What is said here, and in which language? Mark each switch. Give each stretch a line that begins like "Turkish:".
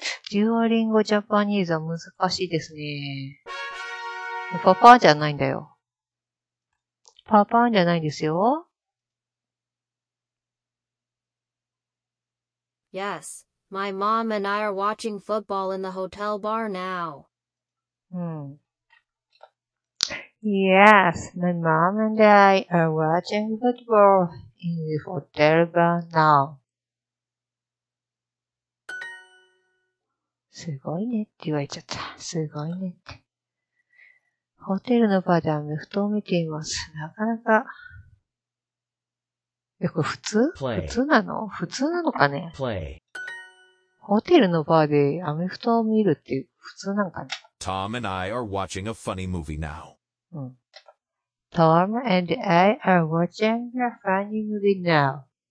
Japanese: デュアリンゴジャパニーズは難しいですね。パパじゃないんだよ。パパじゃないんですよ。
English: Yes, my mom and I are watching football in the hotel bar now. Yes, my mom and I are watching football in the hotel bar now.
Japanese: すごいねって言われちゃった。すごいねって。ホテルのバーでアメフトを見ています。なかなか。え、これ普通？ <Play. S 1> 普通なの？普通なのかね？ <Play. S 1> ホテルのバーでアメフトを見るって普通なんかね？
English: Tom and I are watching a funny movie now. Tom and I are watching a funny movie now.